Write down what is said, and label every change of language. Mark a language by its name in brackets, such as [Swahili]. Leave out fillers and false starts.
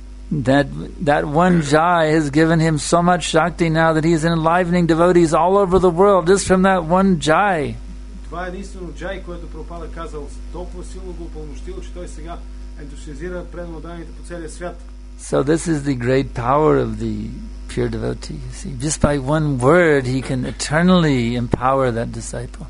[English] That one jai has given him so much shakti now that he is enlivening devotees all over the world just from that one jai. [Bulgarian] Това е единствено джай, което Прабхупада казал, толкова силно го упълномощило, че той сега ентусиазира преданите по целия свят. [English] So this is the great power of the pure devotee. You see, just by one word, he can eternally empower that disciple.